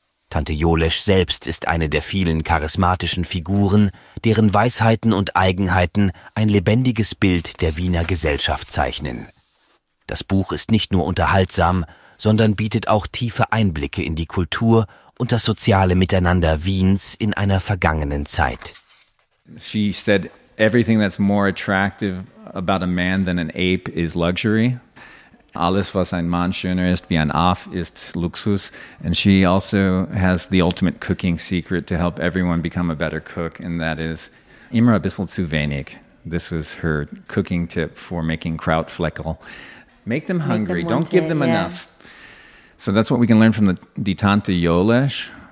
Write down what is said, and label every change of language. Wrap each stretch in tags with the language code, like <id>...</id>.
<de>Tante Jolesch selbst ist eine der vielen charismatischen Figuren, deren Weisheiten und Eigenheiten ein lebendiges Bild der Wiener Gesellschaft zeichnen. Das Buch ist nicht nur unterhaltsam, sondern bietet auch tiefe Einblicke in die Kultur und das soziale Miteinander Wiens in einer vergangenen Zeit.</de> <en>She said, everything that's more attractive about a man than an ape is luxury.</en> <de>Alles, was ein Mann schöner ist wie ein Aff, ist Luxus.</de> <en>And she also has the ultimate cooking secret to help everyone become a better cook, and that is</en> <de>immer ein bisschen zu wenig.</de> <en>This was her cooking tip for making Krautfleckel. Make them hungry. Don't give them enough. So that's what we can learn from the Tante Jolesch.</en>